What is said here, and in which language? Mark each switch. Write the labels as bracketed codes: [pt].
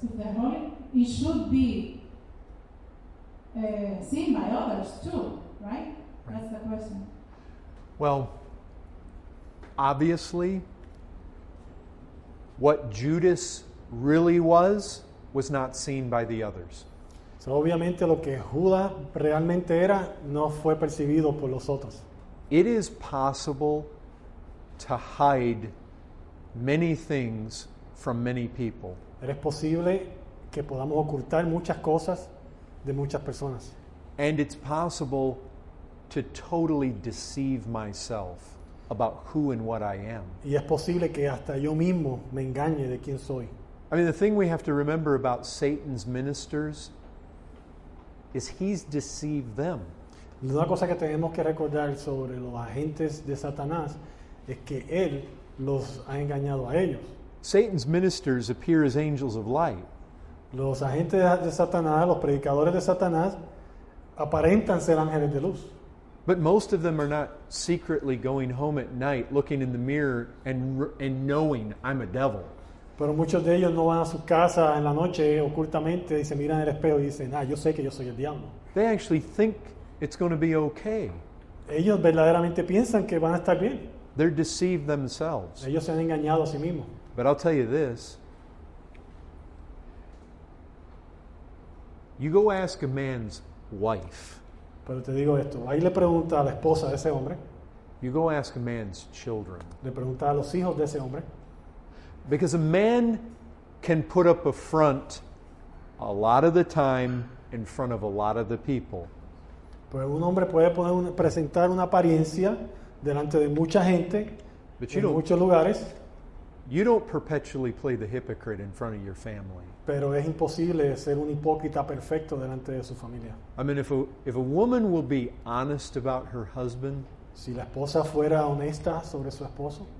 [en] If they're holy, it should be seen by others too, right? That's the question. Well, obviously, what Judas really was not seen by the others. [es] So obviamente lo que Judas realmente era no fue percibido por los otros. [en] It is possible to hide many things from many people. [es] Es posible que podamos ocultar muchas cosas de muchas personas. [en] And it's possible to totally deceive myself about who and what I am. [es] Y es posible que hasta yo mismo me engañe de quién soy. [en] I mean, the thing we have to remember about Satan's ministers is he's deceived them. [es] Una cosa que tenemos que recordar sobre los agentes de Satanás es que él los ha engañado a ellos. [en] Satan's ministers appear as angels of light. [es] Los agentes de Satanás, los predicadores de Satanás, aparentan ser ángeles de luz. [en] But most of them are not secretly going home at night, looking in the mirror and knowing I'm a devil. [es] Pero muchos de ellos no van a su casa en la noche ocultamente y se miran en el espejo y dicen, ah, yo sé que yo soy el diablo. [en] They actually think it's going to be okay. [es] Ellos verdaderamente piensan que van a estar bien. [en] They're deceived themselves. [es] Ellos se han engañado a sí mismos. [en] But I'll tell you this. You go ask a man's wife. [es] Pero te digo esto. Ahí le pregunta a la esposa de ese hombre. [en] You go ask a man's children. [es] Le pregunta a los hijos de ese hombre. [en] Because a man can put up a front a lot of the time in front of a lot of the people. [es] Pues un hombre puede poner presentar una apariencia delante de mucha gente en muchos lugares. [en] You don't perpetually play the hypocrite in front of your family. [es] Pero es imposible ser un hipócrita perfecto delante de su familia. [en] I mean, if a woman will be honest about her husband, [es] si la esposa fuera honesta sobre su esposo,